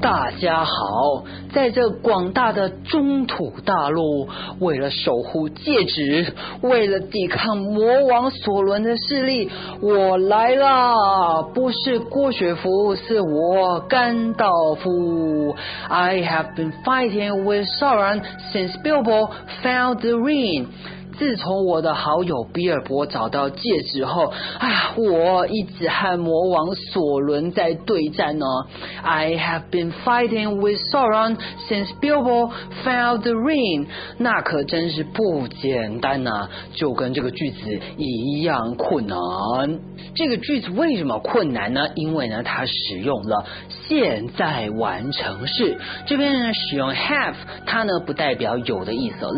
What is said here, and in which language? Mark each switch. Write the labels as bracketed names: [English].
[Chinese] 大家好，在这广大的中土大陆，为了守护戒指，为了抵抗魔王索伦的势力，我来啦！不是郭雪芙，是我甘道夫。 [English] I have been fighting with Sauron since Bilbo found the ring. [Chinese] 自从我的好友比尔博找到戒指后，我一直和魔王索伦在对战呢。 [English] I have been fighting with Sauron since Bilbo found the ring. [Chinese] 那可真是不简单啊，就跟这个句子一样困难。这个句子为什么困难呢？因为呢，它使用了现在完成式。这边呢，使用 have， 它呢不代表有的意思。